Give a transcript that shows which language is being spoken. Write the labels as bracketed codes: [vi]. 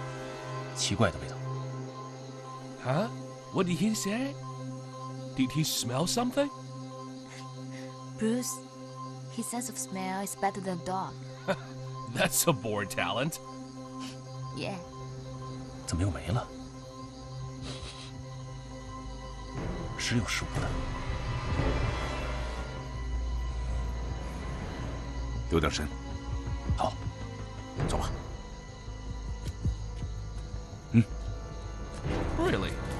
[zh] 闻到一种味道。什么味道？说不好，奇怪的味道。Huh? [en] What did he say? Did he smell something? Bruce, his sense of smell is better than dog. That's a born talent. Yeah. [zh] 怎么又没了？时有时无的。有点深，好，走吧。嗯。 Really?